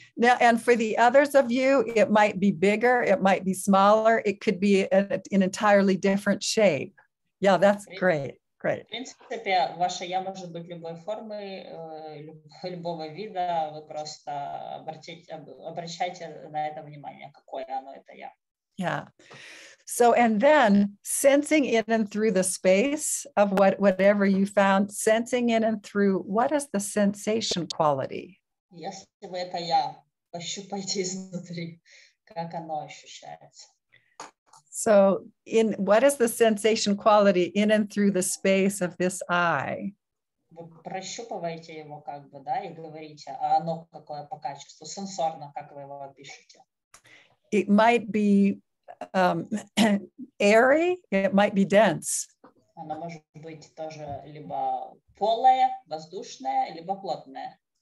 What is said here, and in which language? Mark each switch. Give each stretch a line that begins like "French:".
English: Now, and for the others of you, it might be bigger, it might be smaller, it could be an entirely different shape. Yeah, that's great. Great.
Russian: В принципе, ваше я может быть любой формы, любого вида. Вы просто обращайте на это внимание, какое оно это я.
English: Yeah. So, and then sensing in and through the space of whatever you found, sensing in and through, what is the sensation quality?
Russian: Если вы это я, пощупайте изнутри, как оно ощущается.
English: So, in what is the sensation quality in and through the space of this eye?
Russian: Вы прощупываете его как бы, да, и говорите, а оно какое по качеству, сенсорно, как вы его опишете?
English: It might be airy, it might be dense.
Russian: Оно может быть тоже либо полое, воздушное, либо плотное.